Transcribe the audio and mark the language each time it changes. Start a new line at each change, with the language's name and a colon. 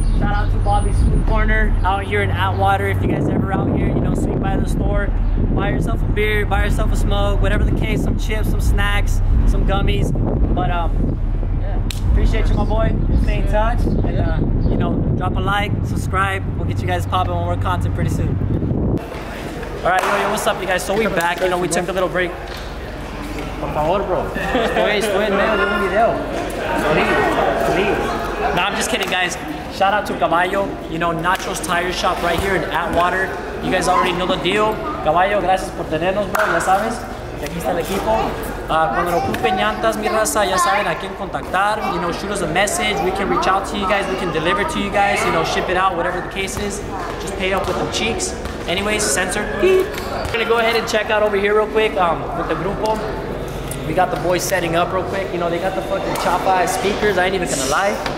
English: Shout out to Bobby's Food Corner out here in Atwater. If you guys are ever out here, you know, swing by the store, buy yourself a beer, buy yourself a smoke, whatever the case, some chips, some snacks, some gummies. But appreciate you, my boy. Stay in touch. And you know, drop a like, subscribe. We'll get you guys popping more content pretty soon. All right, yo, what's up, you guys? So we back. You know, we took a little break.
Spanish: Por favor, bro. Estoy en medio de un video.
English: Please. No, I'm just kidding, guys. Shout out to Caballo, you know, Nacho's Tire Shop right here in Atwater. You guys already know the deal.
Spanish: Caballo, gracias por tenernos, bro. Ya sabes, aquí está el equipo. Cuando lo ocupen llantas, mi raza, ya saben a quién contactar.
English: You know, shoot us a message. We can reach out to you guys. We can deliver to you guys. You know, ship it out, whatever the case is. Just pay up with the cheeks. Anyways, sensor. We're going to go ahead and check out over here real quick with the grupo. We got the boys setting up real quick. You know, they got the fucking Chapa speakers. I ain't even going to lie.